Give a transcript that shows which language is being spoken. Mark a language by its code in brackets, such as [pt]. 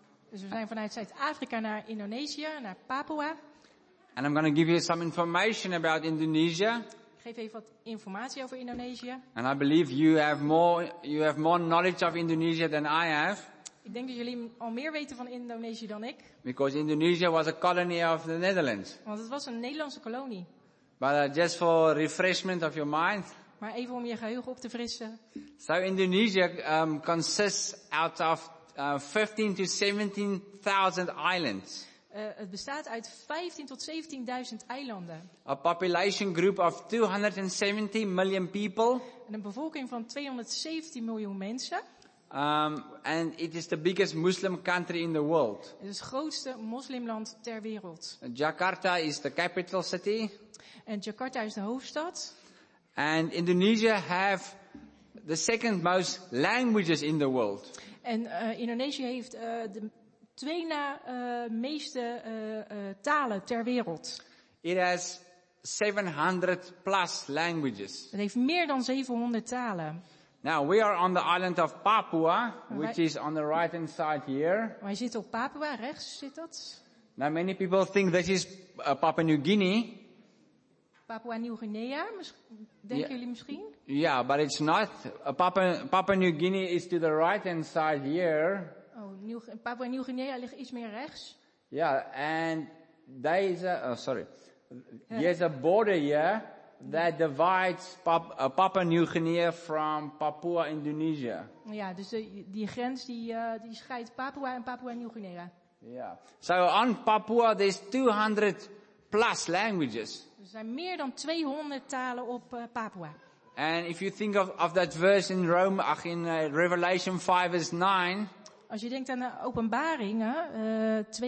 [nl] Dus we zijn vanuit Zuid-Afrika naar Indonesië, naar Papua. [en] And I'm going to give you some information about Indonesia. [nl] Ik geef even wat informatie over Indonesië. [en] And I believe you have more knowledge of Indonesia than I have. [nl] Ik denk dat jullie al meer weten van Indonesië dan ik. [en] Because Indonesia was a colony of the Netherlands. [nl] Want het was een Nederlandse kolonie. [en] But just for refreshment of your mind. [nl] Maar even om je geheugen op te frissen. [en] So Indonesia consists out of 15,000 to 17,000 islands. [nl] Het bestaat uit 15 tot 17.000 eilanden. [en] A population group of 270 million people. [nl] En een bevolking van 270 miljoen mensen. [en] And it is the biggest Muslim country in the world. [nl] Het is het grootste moslimland ter wereld. [en] Jakarta is the capital city. [nl] En Jakarta is de hoofdstad. [en] And Indonesia have the second most languages in the world. [nl] En Indonesië heeft de twee na meeste talen ter wereld. [en] It has 700 plus languages. [nl] Het heeft meer dan 700 talen. [en] Now we are on the island of Papua, which is on the right hand side here. [nl] Wij zitten op Papua, rechts zit dat. [en] Now many people think this is Papua New Guinea. [nl] Papua Nieuw-Guinea, denken jullie misschien? [en] Yeah, but it's not. Papua New Guinea is to the right hand side here. [nl] Oh, Papua Nieuw-Guinea ligt iets meer rechts. [en] Yeah, and there is a, there's a border here that divides Papua Nieuw-Guinea from Papua Indonesia. [nl] Ja, dus die grens die scheidt Papua en Papua Nieuw-Guinea. [en] Yeah. So on Papua there's 200 plus languages. [nl] Er zijn meer dan 200 talen op Papua. [en] And if you think of that verse in Rome, in Revelation 5 verse 9. [nl] Als je denkt aan de Openbaringen